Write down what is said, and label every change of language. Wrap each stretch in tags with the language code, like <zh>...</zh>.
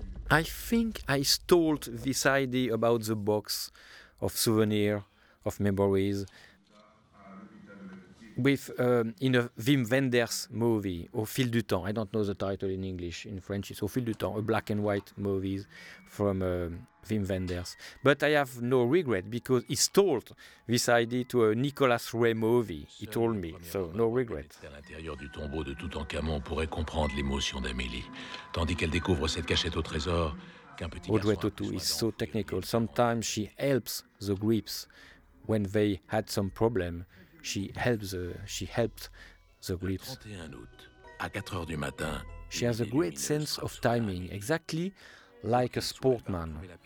<en>I think I stole this idea about the box of souvenir, of memories, with in a Wim Wenders movie, Au fil du temps. I don't know the title in English. In French, it's Au fil du temps, a black and white movie from Wim Wenders. But I have no regret because he stole this idea to a Nicolas Ray movie. He told me, so no regret.</en> <fr>À l'intérieur du tombeau de Toutankhamon, pourrait comprendre l'émotion d'Amélie, tandis qu'elle découvre cette cachette au trésor qu'un petit</fr> <en>Audrey Tautou is so technical. Sometimes she helps the Grips when they had some problem. She helped the Grips.</en> <fr>Le 31 août, à 4 heures du matin,</fr> <en>she has a great sense of timing, exactly like a sportman.</en>